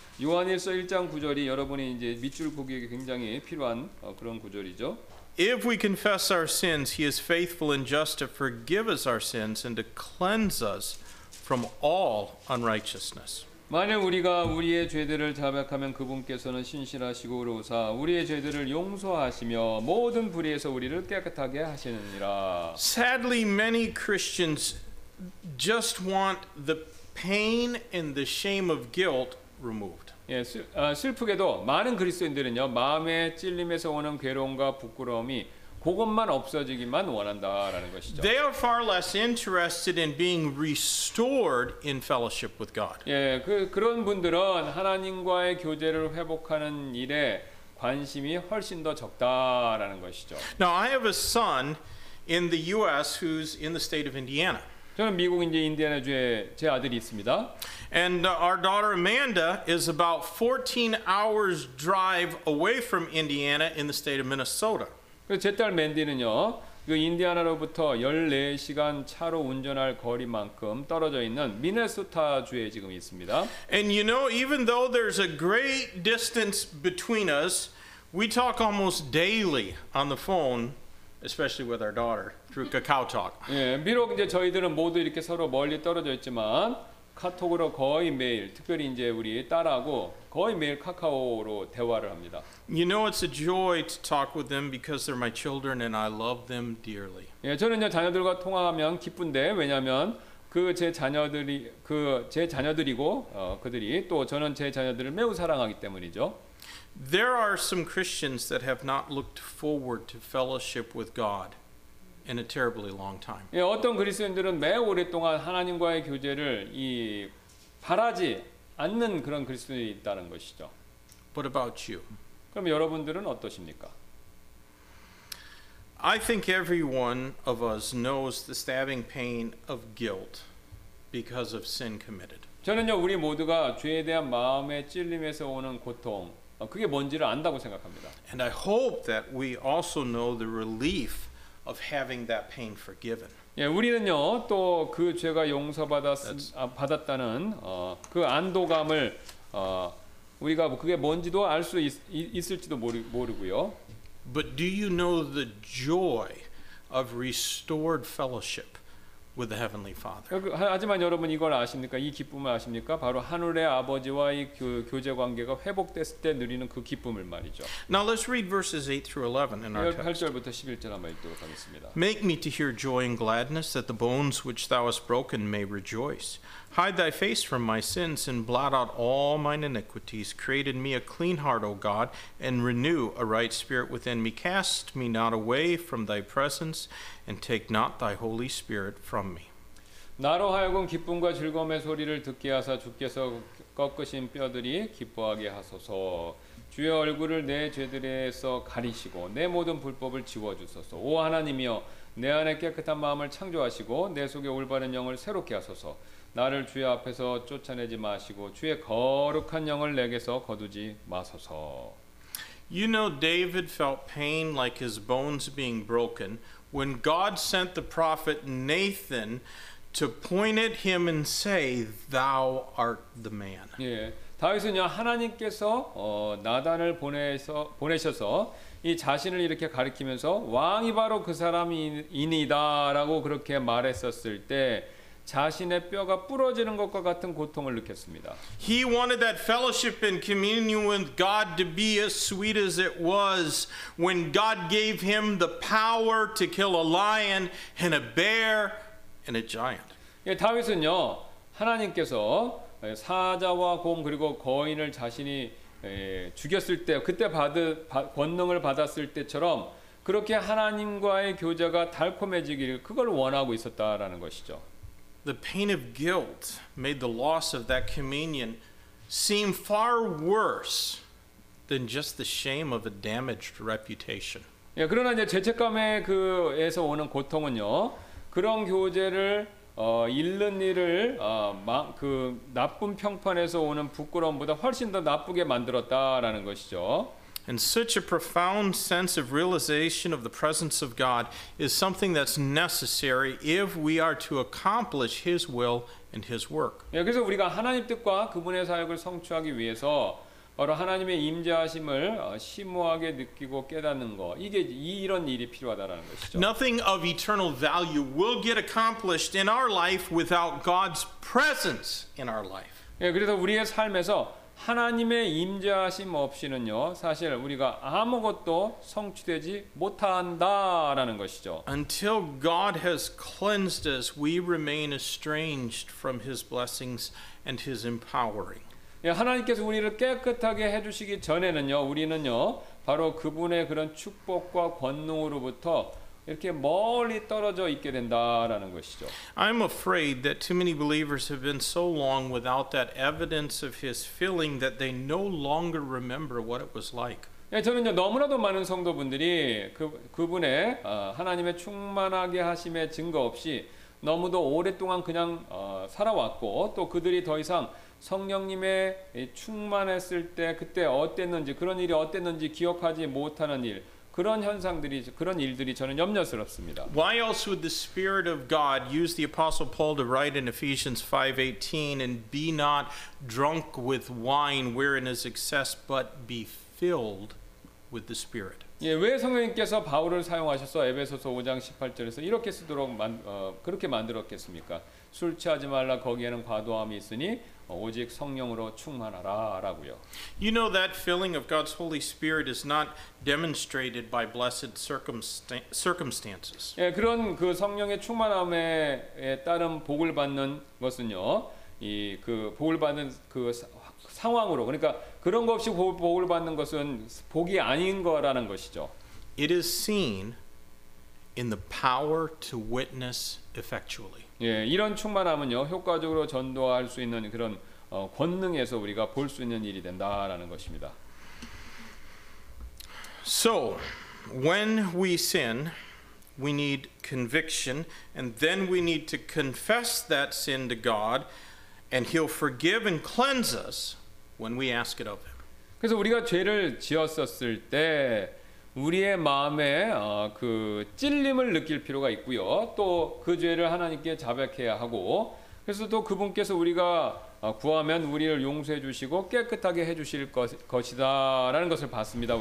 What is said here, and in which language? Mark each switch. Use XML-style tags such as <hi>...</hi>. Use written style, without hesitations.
<ko>요한일서 1장 9절이 여러분이 이제 밑줄 보기에 굉장히 필요한 그런 구절이죠.</ko> <en>If we confess our sins, he is faithful and just to forgive us our sins and to cleanse us from all unrighteousness.</en> <ko>만일 우리가 우리의 죄들을 자백하면 그분께서는 신실하시고 의로우사 우리의 죄들을 용서하시며 모든 불의에서 우리를 깨끗하게 하시느니라.</ko> <en>Sadly, many Christians just want the pain and the shame of guilt removed.</en> <ko>예, 슬프게도 많은 그리스도인들은요 마음의 찔림에서 오는 괴로움과 부끄러움이 그것만 없어지기만 원한다라는 것이죠.</ko> <en>They are far less interested in being restored in fellowship with God.</en> <ko>예, 그런 분들은 하나님과의 교제를 회복하는 일에 관심이 훨씬 더 적다라는 것이죠.</ko> <en>Now I have a son in the U.S. who's in the state of Indiana.</en> <ko>저는 미국 이제 인디애나주에 제 아들이 있습니다.</ko> <en>And our daughter Amanda is about 14 hours drive away from Indiana in the state of Minnesota.</en> <ko>제 딸 맨디는요. 그 인디애나로부터 14시간 차로 운전할 거리만큼 떨어져 있는 미네소타 주에 지금 있습니다.</ko> <en>And you know, even though there's a great distance between us, we talk almost daily on the phone, especially with our daughter through KakaoTalk.</en> <ko>예, 비록 이제 저희들은 모두 이렇게 서로 멀리 떨어져 있지만 카톡으로 거의 매일, 특별히 이제 우리 딸하고 거의 매일 카카오로 대화를 합니다.</ko> <en>You know it's a joy to talk with them because they're my children and I love them dearly.</en> <ko>예, 저는요 자녀들과 통화하면 기쁜데 왜냐하면 그 제 자녀들이 그 제 자녀들이고 그들이 또 저는 제 자녀들을 매우 사랑하기 때문이죠.</ko> <en>There are some Christians that have not looked forward to fellowship with God in a terribly long time.</en> <ko>예, 어떤 그리스도인들은 매우 오랫동안 하나님과의 교제를 이 바라지 않는 그런 그리스도인이 있다는 것이죠.</ko> <en>What about you?</en> <ko>그럼 여러분들은 어떠십니까?</ko> <en>I think every one of us knows the stabbing pain of guilt because of sin committed.</en> <ko>저는요, 우리 모두가 죄에 대한 마음의 찔림에서 오는 고통, 그게 뭔지를 안다고 생각합니다.</ko> <en>And I hope that we also know the relief of having that pain forgiven.</en> <ko>예, 우리는요 또 그 죄가 용서받았다는 그 안도감을 우리가 그게 뭔지도 알 수 있을지도 모르고요.</ko> <en>But do you know the joy of restored fellowship with the heavenly Father?</en> <ko>하지만 여러분 이걸 아십니까? 이 기쁨을 아십니까? 바로 하늘의 아버지와의 교제 관계가 회복됐을 때 누리는 그 기쁨을 말이죠.</ko> <en>Now let's read verses 8 through 11 in our text.</en> <ko>8절부터 11절 한번 읽도록 하겠습니다.</ko> <en>Make me to hear joy and gladness, that the bones which thou hast broken may rejoice. Hide thy face from my sins and blot out all mine iniquities. Create in me a clean heart, O God, and renew a right spirit within me. Cast me not away from thy presence, and take not thy Holy Spirit from me.</en> <ko>나로 하여금 기쁨과 즐거움의 소리를 듣게 하사 주께서 꺾으신 뼈들이 기뻐하게 하소서. 주의 얼굴을 내 죄들에서 가리시고 내 모든 불법을 지워주소서. 오 하나님이여, 내 안에 깨끗한 마음을 창조하시고 내 속에 올바른 영을 새롭게 하소서. 나를 주의 앞에서 쫓아내지 마시고 주의 거룩한 영을 내게서 거두지 마소서.</ko> <en>You know, David felt pain like his bones being broken when God sent the prophet Nathan to point at him and say, "Thou art the man."</en> <ko>예, 다윗은요 하나님께서 나단을 보내셔서 이 자신을 이렇게 가리키면서 왕이 바로 그 사람이니이다라고 그렇게 말했었을 때. 자신의 뼈가 부러지는 것과 같은 고통을 느꼈습니다.</ko> <en>He wanted that fellowship and communion with God to be as sweet as it was when God gave him the power to kill a lion and a bear and a giant.</en> <ko>예, 다윗은요 하나님께서 사자와 곰 그리고 거인을 자신이 죽였을 때 그때 권능을 받았을 때처럼 그렇게 하나님과의 교제가 달콤해지기를 그걸 원하고 있었다라는 것이죠.</ko> <en>The pain of guilt made the loss of that communion seem far worse than just the shame of a damaged reputation.</en> <ko>예, 그러나 이제 죄책감에 그에서 오는 고통은요. 그런 교제를 잃는 일을 그 나쁜 평판에서 오는 부끄러움보다 훨씬 더 나쁘게 만들었다라는 것이죠.</ko> <en>And such a profound sense of realization of the presence of God is something that's necessary if we are to accomplish His will and His work.</en> <ko>예, 그래서 우리가 하나님 뜻과 그분의 사역을 성취하기 위해서 바로 하나님의 임재하심을 심오하게 느끼고 깨닫는 거 이게 이런 일이 필요하다라는 것이죠.</ko> <en>Nothing of eternal value will get accomplished in our life without God's presence in our life.</en> <ko>예, 그래서 우리의 삶에서 하나님의 임재하심 없이는요 사실 우리가 아무것도 성취되지 못한다라는 것이죠.</ko> <en>Until God has cleansed us, we remain estranged from His blessings and His empowering.</en> <ko>예, 하나님께서 우리를 깨끗하게 해주시기 전에는요 우리는요 바로 그분의 그런 축복과 권능으로부터 이렇게 멀리 떨어져 있게 된다라는 것이죠.</ko> <en>I'm afraid that too many believers have been so long without that evidence of His filling that they no longer remember what it was like.</en> <ko>예, 저는요 너무나도 많은 성도분들이 그분의 하나님의 충만하게 하심의 증거 없이 너무도 오랫동안 그냥 살아왔고 또 그들이 더 이상 성령님의 충만했을 때 그때 어땠는지 그런 일이 어땠는지 기억하지 못하는 일 그런 현상들이 그런 일들이 저는 염려스럽습니다.</ko> <en>Why else would the Spirit of God use the Apostle Paul to write in Ephesians 5:18 and be not drunk with wine wherein is excess but be filled with the Spirit?</en> <ko>예, 왜 성령님께서 바울을 사용하셔서 에베소서 5장 18절에서 이렇게 쓰도록 그렇게 만들었겠습니까? 술 취하지 말라 거기에는 과도함이 있으니 오직 성령으로 충만하라라고요.</ko> <en>You know that filling of God's Holy Spirit is not demonstrated by blessed circumstances.</en> <ko>예, 그런 그 성령의 충만함에 따른 복을 받는 것은요. 이 그 복을 받는 그 상황으로 그러니까 그런 것 없이 복을 받는 것은 복이 아닌 거라는 것이죠.</ko> <en>It is seen in the power to witness effectually.</en> <ko>예, 이런 충만함은요 효과적으로 전도할 수 있는 그런 권능에서 우리가 볼 수 있는 일이 된다라는 것입니다.</ko> <en>So, when we sin, we need conviction, and then we need to confess that sin to God, and He'll forgive and cleanse us when we ask it of Him.</en> <ko>그래서 우리가 죄를 지었었을 때 우리의 마음에 그 찔림을 느낄 필요가 있고요. 또 그 죄를 하나님께 자백해야 하고 그래서 또 그분께서 우리가 구하면 우리를 용서해 주시고 깨끗하게 해 주실 것이다 라는 것을 봤습니다.</ko>